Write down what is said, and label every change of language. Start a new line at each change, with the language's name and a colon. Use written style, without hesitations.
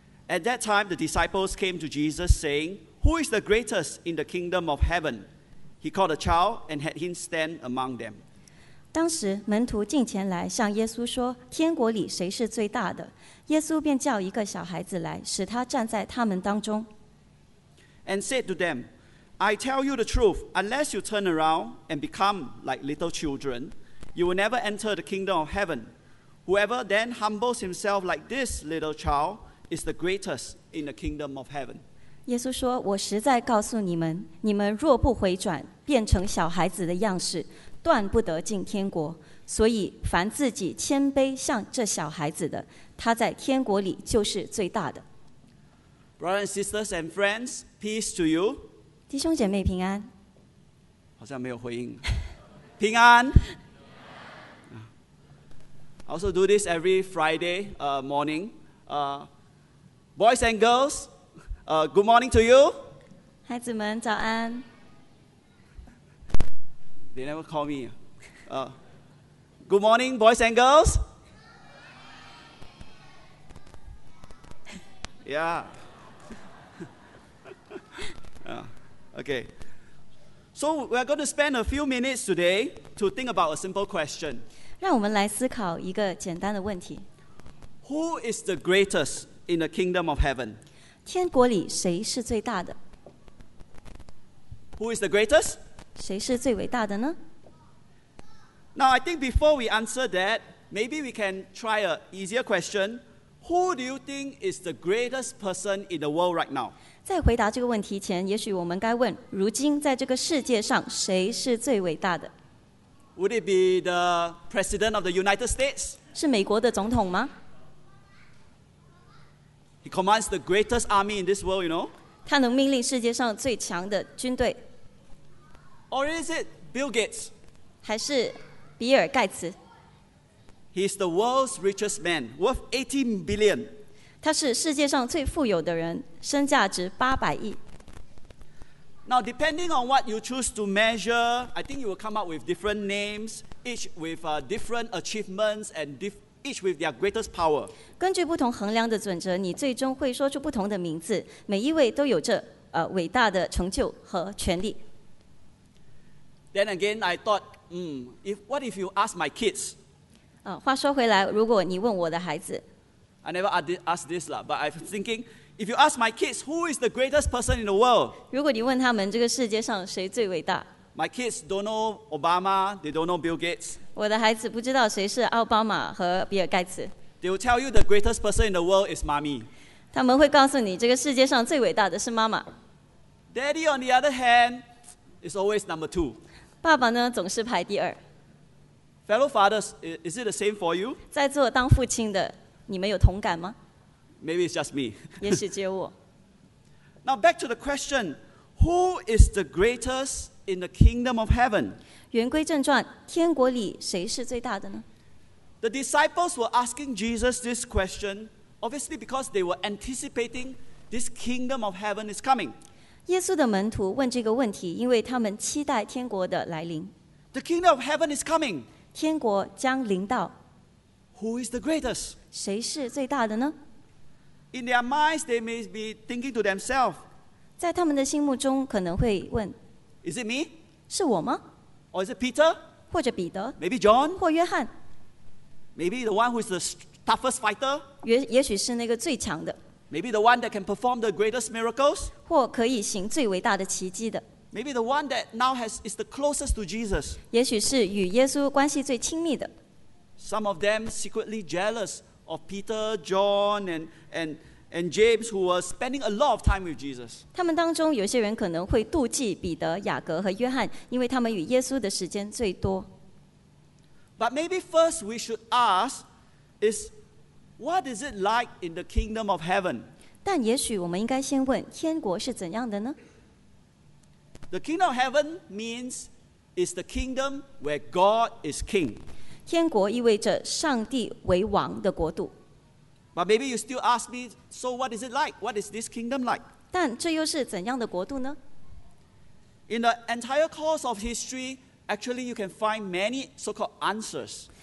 English: At that time, the disciples came to Jesus, saying, "Who is the greatest in the kingdom of heaven?" He called a child and had him stand among them.
Chinese: 当时门徒近前来向耶稣说，天国里谁是最大的？耶稣便叫一个小孩子来，使他站在他们当中。
English: And said to them, I tell you the truth, unless you turn around and become like little children, you will never enter the kingdom of heaven. Whoever then humbles himself like this little child is the greatest in the kingdom of heaven.
Chinese: 耶稣说，我实在告诉你们，你们若不回转，变成小孩子的样式，断不得进天国。所以，凡自己谦卑像这小孩子的，他在天国里就是最大的。
English: Brothers and sisters and friends, peace to you.
Chinese: 弟兄姐妹平安。好像没有回应。平安。
English: I also do this every Friday morning. Boys and girls, good morning to you.
Chinese: 孩子们早安。
English: They never call me. Good morning, boys and girls. Yeah. Okay. So we are going to spend a few minutes today to think about a simple question.
Chinese: 让我们来思考一个简单的问题。
English: Who is the greatest in the kingdom of heaven?
Chinese: 天国里谁是最大的？
English: Who is the greatest?
Chinese: 谁是最伟大的呢？
English: Now, I think before we answer that, maybe we can try an easier question. Who do you think is the greatest person in the world right now?
Chinese: 在回答这个问题前，也许我们该问，如今在这个世界上，谁是最伟大的？
English: Would it be the President of the United States?
Chinese: 是美国的总统吗？
English: He commands the greatest army in this world, you know?
Chinese: 他能命令世界上最强的军队。
English: Or is it Bill Gates?
Chinese: 还是比尔盖茨。
English: He's the world's richest man, worth 18 billion.
Chinese: 他是世界上最富有的人，身价值800亿。
English: Now, depending on what you choose to measure, I think you will come up with different names, each with different achievements and each with their greatest power.
Chinese: 根据不同衡量的准则，你最终会说出不同的名字，每一位都有着伟大的成就和权力。
English: Then again, I thought,what if you ask my kids?
Chinese: 话说回来，如果你问我的孩子
English: ，I never asked this lah, but I'm thinking, if you ask my kids, who is the greatest person in the world?
Chinese: 如果你问他们这个世界上谁最伟大
English: ？My kids don't know Obama, they don't know Bill Gates.
Chinese: 我的孩子不知道谁是奥巴马和比尔盖茨。
English: They will tell you the greatest person in the world is mommy.
Chinese: 他们会告诉你这个世界上最伟大的是妈妈。
English: Daddy, on the other hand, is always number two.
Chinese: 爸爸呢总是排第二。
English: Fellow fathers, is it the same for you?
Chinese: 在座当父亲的，你们有同感吗
English: ？Maybe it's just me.
Chinese: 也许只有我。
English: Now back to the question, who is the greatest in the kingdom of heaven?
Chinese: 言归正传，天国里谁是最大的呢
English: ？The disciples were asking Jesus this question, obviously because they were anticipating this kingdom of heaven is coming.
Chinese: 耶稣的门徒问这个问题，因为他们期待天国的来临。
English: The kingdom of heaven is coming.
Chinese: 天国将临到。
English: Who is the greatest?
Chinese: 谁是最大的呢
English: ？In their minds, they may be thinking to themselves.
Chinese: 在他们的心目中可能会问
English: ：Is it me?
Chinese: 是我吗
English: ？Or is it Peter?
Chinese: 或者彼得
English: ？Maybe John?
Chinese: 或约翰
English: ？Maybe the one who is the toughest fighter?
Chinese: 也许是那个最强的。
English: Maybe the one that can perform the greatest miracles,
Chinese: 或可以行最伟大的奇迹的。
English: Maybe the one that now is the closest to Jesus,
Chinese: 也许是与耶稣关系最亲密的。
English: Some of them secretly jealous of Peter, John, and James, who were spending a lot of time with Jesus.
Chinese: 他们当中有些人可能会妒忌彼得、雅各和约翰，因为他们与耶稣的时间最多。
English: But maybe first we should ask is. What is it like in the kingdom of heaven?
Chinese: 但也许我们应该先问天国是怎样的呢
English: ？The kingdom of heaven means is the kingdom where God is king.
Chinese: 天国意味着上帝为王的国度。
English: But maybe you still ask me, so what is it like? What is this kingdom like?
Chinese: 但这又是怎样的国度呢?
English: In the entire course of history, actually you can find many so-called answers.